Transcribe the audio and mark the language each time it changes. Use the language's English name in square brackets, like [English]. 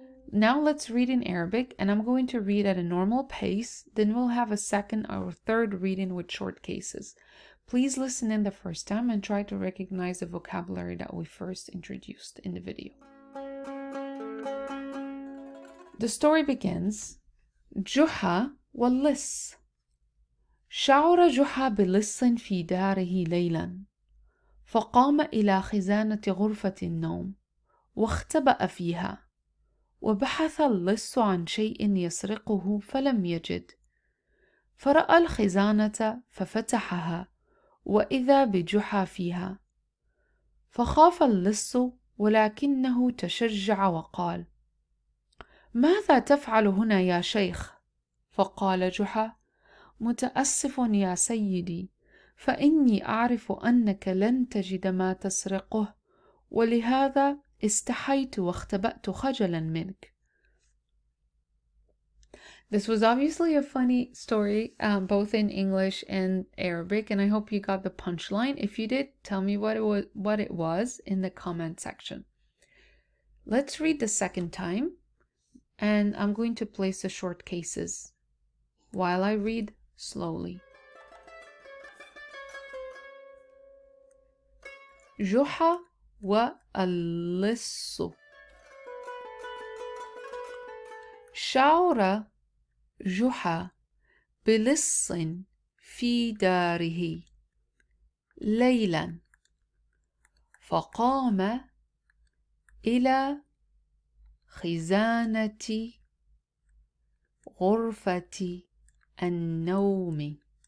[English] Now let's read in Arabic, and I'm going to read at a normal pace, then we'll have a second or third reading with short cases. Please listen in the first time and try to recognize the vocabulary that we first introduced in the video. The story begins, Juha [Arabic] واللص. شعر جحا بلص في داره ليلا فقام إلى خزانة غرفة النوم واختبأ فيها وبحث اللص عن شيء يسرقه فلم يجد فرأى الخزانة ففتحها وإذا بجحا فيها فخاف اللص ولكنه تشجع وقال ماذا تفعل هنا يا شيخ؟ فقال جحا متأسف يا سيدي فإني أعرف أنك لن تجد ما تسرقه ولهذا استحيت واختبأت خجلا منك. [English] This was obviously a funny story, both in English and Arabic, and I hope you got the punchline. If you did, tell me what it was in the comment section. Let's read the second time, and I'm going to place the short cases while I read slowly. [Arabic] جحا واللص شعر جحا بلص في داره ليلا فقام إلى خزانة غرفة النوم